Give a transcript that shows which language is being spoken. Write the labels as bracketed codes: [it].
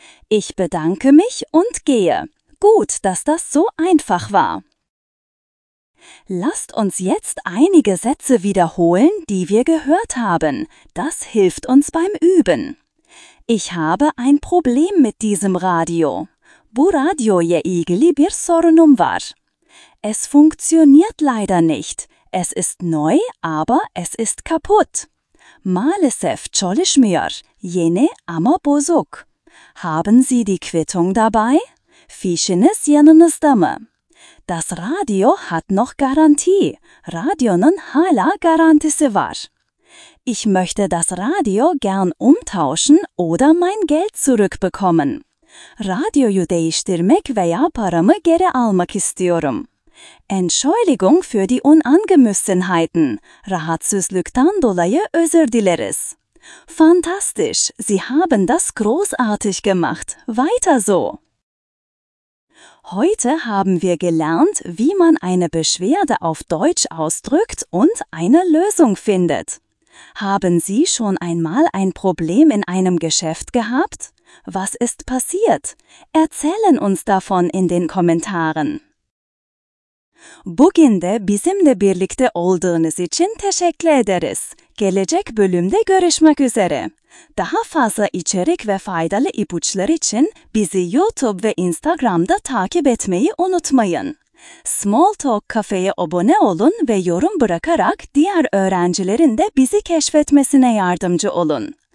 [de] Ich bedanke mich und gehe. Gut, dass das so einfach war. Lasst uns jetzt einige Sätze wiederholen, die wir gehört haben. Das hilft uns beim Üben. Ich habe ein Problem mit diesem Radio. [tr] Bu radyoya ilgili bir sorunum var. [de] Es funktioniert leider nicht. Es ist neu, aber es ist kaputt. [tr] Maalesef çalışmıyor. Yeni ama bozuk. [de] Haben Sie die Quittung dabei? [tr] Fişiniz yanınızda mı? [de] Das Radio hat noch Garantie. [tr] Radyonun hala garantisi var. [de] Ich möchte das Radio gern umtauschen oder mein Geld zurückbekommen. [tr] Radyoyu değiştirmek veya paramı geri almak istiyorum. [de] Entschuldigung für die Unangemessenheiten. [tr] Rahatsızlıktan dolayı özür dileriz. [de] Fantastisch, Sie haben das großartig gemacht. Weiter so. Heute haben wir gelernt, wie man eine Beschwerde auf Deutsch ausdrückt und eine Lösung findet. Haben Sie schon einmal ein Problem in einem Geschäft gehabt? Was ist passiert? Erzählen uns davon in den Kommentaren. [tr] Bugün de bizimle birlikte olduğunuz için teşekkür ederiz. Gelecek bölümde görüşmek üzere. Daha fazla içerik ve faydalı ipuçları için bizi YouTube ve Instagram'da takip etmeyi unutmayın. Small Talk Cafe'ye abone olun ve yorum bırakarak diğer öğrencilerin de bizi keşfetmesine yardımcı olun.